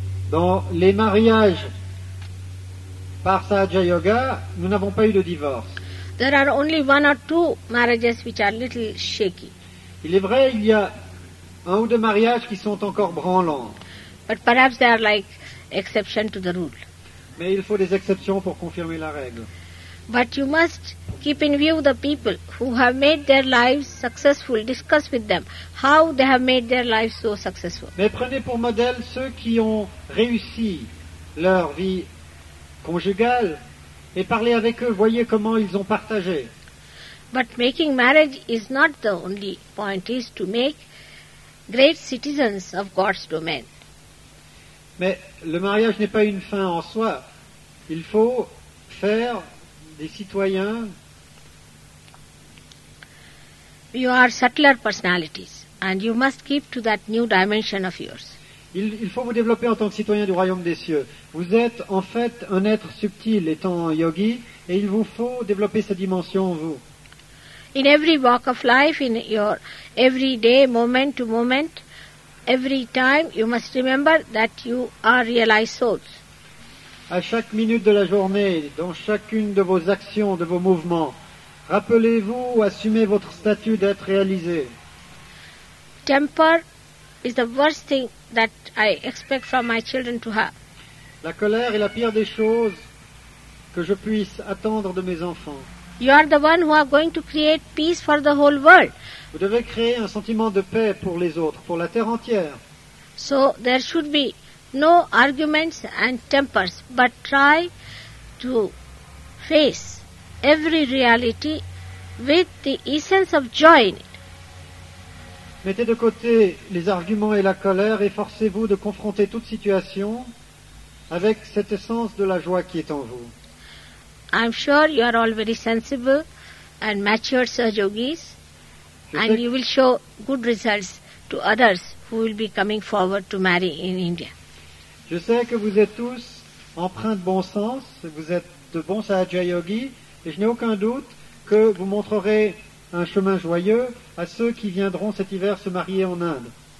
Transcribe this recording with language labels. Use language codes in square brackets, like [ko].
[fr] Dans les mariages par Sahaja Yoga, nous n'avons pas eu de divorce. [en] There are only one or two marriages which are little shaky. [fr] Il est vrai, il y a un ou deux mariages qui sont encore branlants. [en] But perhaps they are like exception to the rule. [fr] Mais il faut des exceptions pour confirmer la règle. [en] But you must keep in view the people who have made their lives successful. Discuss with them how they have made their lives so successful. [fr] Mais prenez pour modèle ceux qui ont réussi leur vie conjugale et parlez avec eux. Voyez comment ils ont partagé. [en] But making marriage is not the only point. It is to make great citizens of God's domain. [fr] Mais le mariage n'est pas une fin en soi. Il faut faire des citoyens. [en] You are subtler personalities, and you must keep to that new dimension of yours. [fr] Il faut vous développer en tant que citoyen du royaume des cieux. Vous êtes en fait un être subtil, étant yogi, et il vous faut développer cette dimension en vous. [en] In every walk of life, in your every day, moment to moment, every time, you must remember that you are realized souls. [fr] À chaque minute de la journée, dans chacune de vos actions, de vos mouvements, rappelez-vous, assumez votre statut d'être réalisé. [en] Temper is the worst thing that I expect from my children to have. [fr] La colère est la pire des choses que je puisse attendre de mes enfants. [en] You are the one who are going to create peace for the whole world. [fr] Vous devez créer un sentiment de paix pour les autres, pour la terre entière. [en] So there should be no arguments and tempers, but try to face every reality with the essence of joy in it. [fr] Mettez de côté les arguments et la colère et forcez-vous de confronter toute situation avec cette essence de la joie qui est en vous. [en] I'm sure you are all very sensible and mature Sahaja Yogis, and you will show good results to others who will be coming forward to marry in India. [fr] Je sais que vous êtes tous empreints de bon sens, vous êtes de bons Sahaja Yogis, et je n'ai aucun doute que vous montrerez un chemin joyeux à ceux qui viendront cet hiver se marier en Inde.